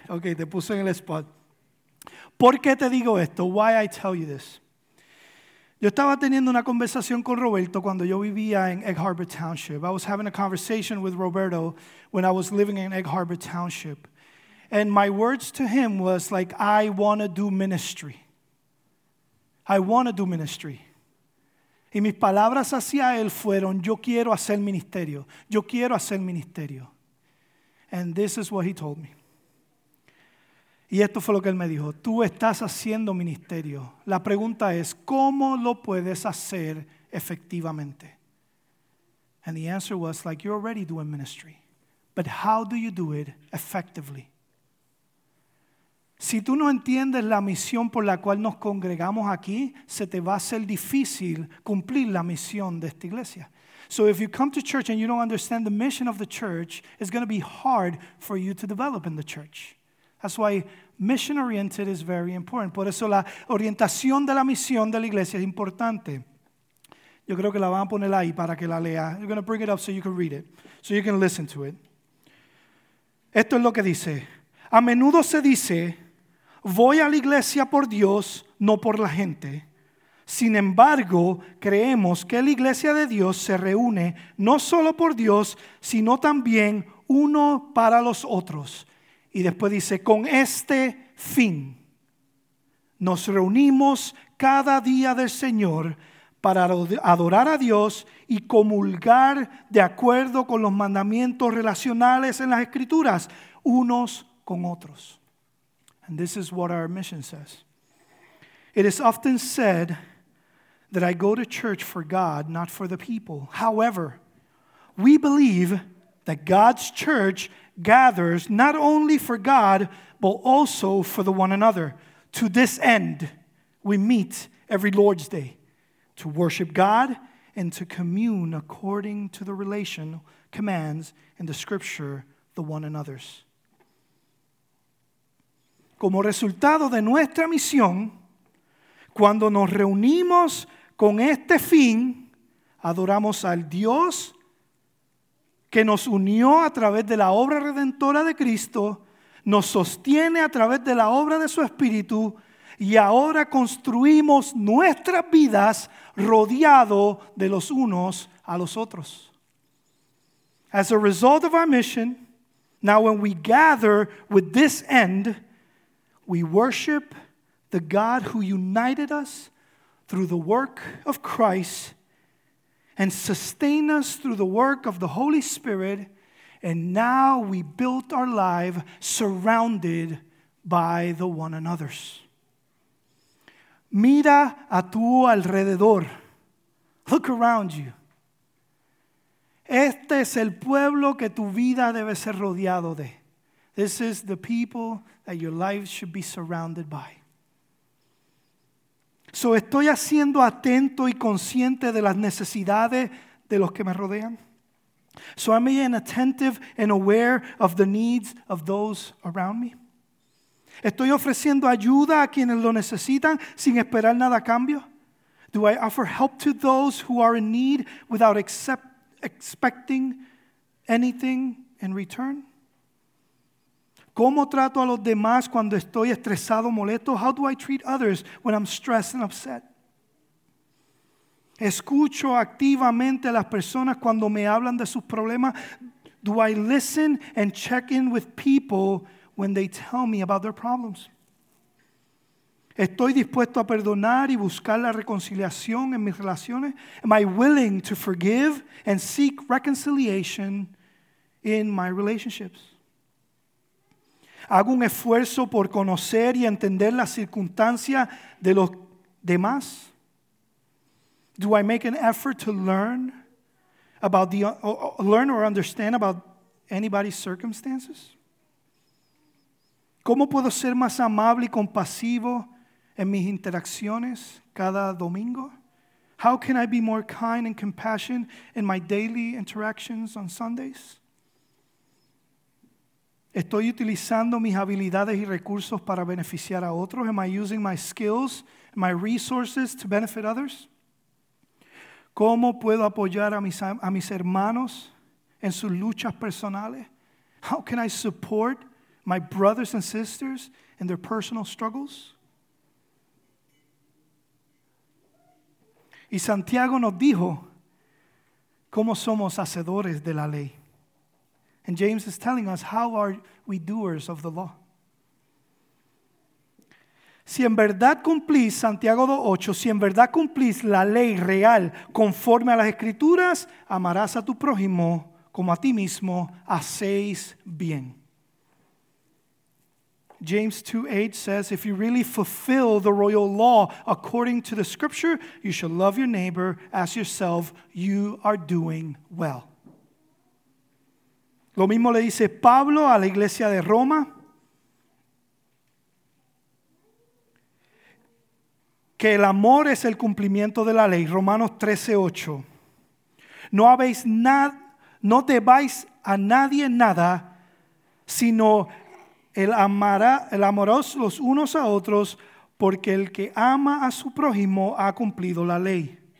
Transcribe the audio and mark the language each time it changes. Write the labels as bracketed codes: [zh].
[es] Okay, te puse en el spot. ¿Por qué te digo esto? [en] Why I tell you this? [es] Yo estaba teniendo una conversación con Roberto cuando yo vivía en Egg Harbor Township. [en] I was having a conversation with Roberto when I was living in Egg Harbor Township. And my words to him was like, I want to do ministry. I want to do ministry. [es] Y mis palabras hacia él fueron, yo quiero hacer ministerio. Yo quiero hacer ministerio. [en] And this is what he told me. [es] Y esto fue lo que él me dijo. Tú estás haciendo ministerio. La pregunta es, ¿cómo lo puedes hacer efectivamente? [en] And the answer was like, you're already doing ministry. But how do you do it effectively? [es] Si tú no entiendes la misión por la cual nos congregamos aquí, se te va a hacer difícil cumplir la misión de esta iglesia. [en] So if you come to church and you don't understand the mission of the church, it's going to be hard for you to develop in the church. That's why mission-oriented is very important. [es] Por eso la orientación de la misión de la iglesia es importante. Yo creo que la van a poner ahí para que la lea. [en] I'm going to bring it up so you can read it, so you can listen to it. [es] Esto es lo que dice. A menudo se dice, voy a la iglesia por Dios, no por la gente. Sin embargo, creemos que la iglesia de Dios se reúne no solo por Dios, sino también uno para los otros. Y después dice, con este fin, nos reunimos cada día del Señor para adorar a Dios y comulgar de acuerdo con los mandamientos relacionales en las Escrituras, unos con otros. [en] And this is what our mission says. It is often said that I go to church for God, not for the people. However, we believe that God's church gathers not only for God, but also for the one another. To this end, we meet every Lord's Day to worship God and to commune according to the relation commands in the scripture, the one another's. [es] Como resultado de nuestra misión, cuando nos reunimos con este fin, adoramos al Dios que nos unió a través de la obra redentora de Cristo, nos sostiene a través de la obra de su Espíritu, y ahora construimos nuestras vidas rodeado de los unos a los otros. [en] As a result of our mission, now when we gather with this end, we worship the God who united us through the work of Christ and sustained us through the work of the Holy Spirit, and now we built our life surrounded by the one another's. [es] Mira a tu alrededor. [en] Look around you. [es] Este es el pueblo que tu vida debe ser rodeado de. [en] This is the people that your life should be surrounded by. [es] So, ¿estoy haciendo atento y consciente de las necesidades de los que me rodean? [en] So, am I attentive and aware of the needs of those around me? [es] ¿Estoy ofreciendo ayuda a quienes lo necesitan sin esperar nada a cambio? [en] Do I offer help to those who are in need without expecting anything in return? [es] ¿Cómo trato a los demás cuando estoy estresado, molesto? [en] How do I treat others when I'm stressed and upset? [es] ¿Escucho activamente a las personas cuando me hablan de sus problemas? [en] Do I listen and check in with people when they tell me about their problems? [es] ¿Estoy dispuesto a perdonar y buscar la reconciliación en mis relaciones? [en] Am I willing to forgive and seek reconciliation in my relationships? [es] ¿Hago un esfuerzo por conocer y entender las circunstancias de los demás? [en] Do I make an effort to learn about the learn or understand about anybody's circumstances? [es] ¿Cómo puedo ser más amable y compasivo en mis interacciones cada domingo? [en] How can I be more kind and compassionate in my daily interactions on Sundays? [es] ¿Estoy utilizando mis habilidades y recursos para beneficiar a otros? [en] Am I using my skills, my resources to benefit others? [es] ¿Cómo puedo apoyar a mis hermanos en sus luchas personales? [en] How can I support my brothers and sisters in their personal struggles? [es] Y Santiago nos dijo cómo somos hacedores de la ley. [en] And James is telling us, how are we doers of the law? [es] Si en verdad cumplís, Santiago 2:8, si en verdad cumplís la ley real conforme a las escrituras, amarás a tu prójimo como a ti mismo, hacéis bien. [en] James 2:8 says, if you really fulfill the royal law according to the scripture, you shall love your neighbor as yourself, you are doing well. [es] Lo mismo le dice Pablo a la iglesia de Roma. Que el amor es el cumplimiento de la ley. Romanos 13:8. No habéis nada, no debáis a nadie nada, sino el amaros los unos a otros, porque el que ama a su prójimo ha cumplido la ley.